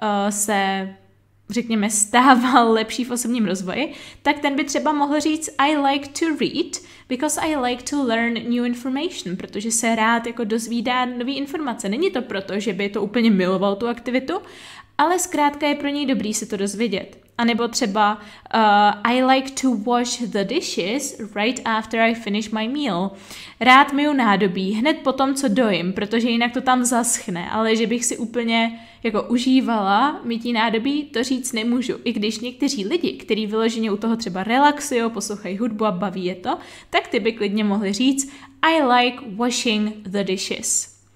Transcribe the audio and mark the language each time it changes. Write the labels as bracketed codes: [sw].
[cs] se, řekněme, stával lepší v osobním rozvoji, tak ten by třeba mohl říct [en] I like to read, because I like to learn new information, [cs] protože se rád jako dozvídá nový informace. Není to proto, že by to úplně miloval tu aktivitu, ale zkrátka je pro něj dobrý se to dozvědět. A nebo třeba [en] I like to wash the dishes right after I finish my meal. [cs] Rád myju nádobí hned potom, co dojím, protože jinak to tam zaschne, ale že bych si úplně jako užívala mytí nádobí, to říct nemůžu. I když někteří lidi, kteří vyloženě u toho třeba relaxují, poslouchají hudbu a baví je to, tak ty by klidně mohli říct [en] I like washing the dishes.